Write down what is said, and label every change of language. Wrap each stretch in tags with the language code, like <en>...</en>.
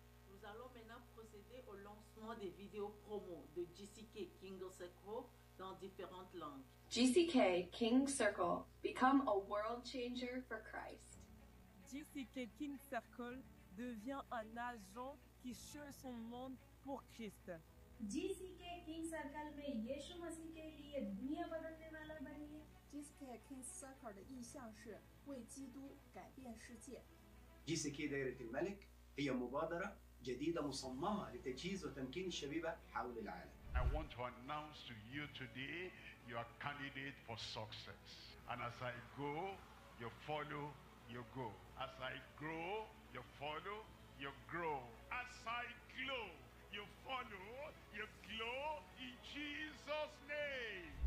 <fr>Nous allons maintenant procéder au lancement des vidéos promo de GCK King Circle dans différentes langues.</fr> <en>GCK King Circle, become a world changer for Christ.</en> <fr>GCK King Circle devient un agent qui change son monde pour Christ.</fr> <hi>GCK King Circle में यीशु मसीह के लिए दुनिया बदलने वाला बनिए.</hi> <zh>GCK King Circle 的意向是 为基督改变世界.</zh> <ar>GCK دائرة الملك هي مبادرة جديدة مصممة لتجهيز وتمكين الشبيبة حول العالم.</ar> <en>I want to announce to you today you are candidate for success. And as I go, you follow, you go. As I grow, you follow, you grow. As I glow, you follow, you glow in Jesus' name.</en>